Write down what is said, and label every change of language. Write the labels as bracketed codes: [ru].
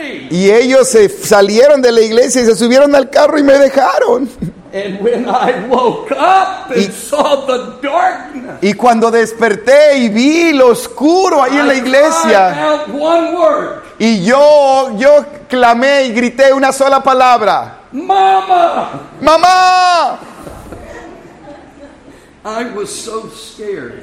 [es] Y ellos se salieron de la iglesia y se subieron al carro y me dejaron. [en] And when I woke up and saw the darkness, [es] y cuando desperté y vi lo oscuro ahí en la iglesia, [en] I cried out one word. [es] Y yo clamé y grité una sola palabra: [en] ¡Mama! [es] ¡Mamá! [en] I was so scared.